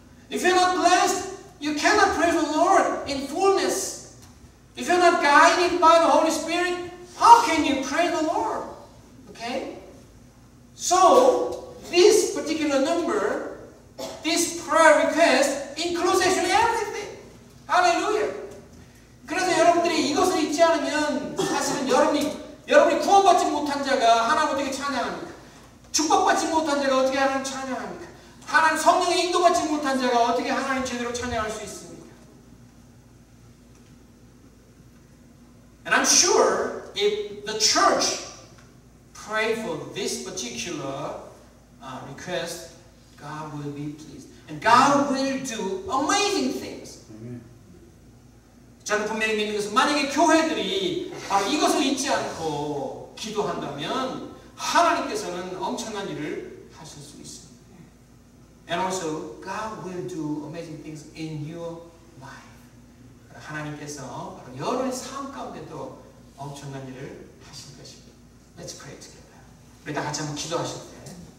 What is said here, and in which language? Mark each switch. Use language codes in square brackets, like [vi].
[en] If you're not blessed, you cannot praise the Lord in fullness. If you're not guided by the Holy Spirit, how can you praise the Lord? Okay? So, this particular number, this prayer request includes actually everything. Hallelujah. [ko] 그래서 여러분들이 이것을 잊지 않으면 사실은 여러분이 구원받지 못한 자가 하나님께 찬양합니까? 축복받지 못한 자가 어떻게 하나님 찬양합니까? 하나님 성령의 인도받지 못한 자가 어떻게 하나님 제대로 찬양할 수 있습니까? [en] And I'm sure if the church prayed for this particular request, God will be pleased. And God will do amazing things. Amen. [ko] 저는 분명히 믿는 것은 만약에 교회들이 바로 이것을 잊지 않고 기도한다면 하나님께서는 엄청난 일을 하실 수 있습니다. [en] And also, God will do amazing things in your life. [ko] 하나님께서 바로 여러분의 삶 가운데도 엄청난 일을 하실 것입니다. [en] Let's pray together. [ko] 우리 다 같이 한번 기도하실 때.